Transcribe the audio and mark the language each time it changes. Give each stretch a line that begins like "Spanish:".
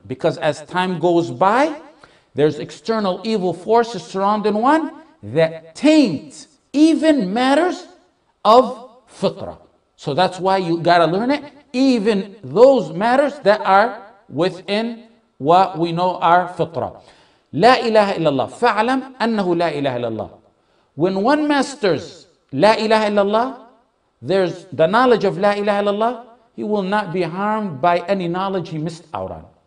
English: Because as time goes by, there's external evil forces surrounding one that taint even matters of fitrah. So that's why you got to learn it. Even those matters that are within what we know are fitrah.
Arabic: لا إله إلا الله فعلم أنه لا إله إلا الله.
English: When one masters
Arabic: لا إله إلا الله,
English: there's the knowledge of لا إله إلا الله, he will not be harmed by any knowledge he missed out on.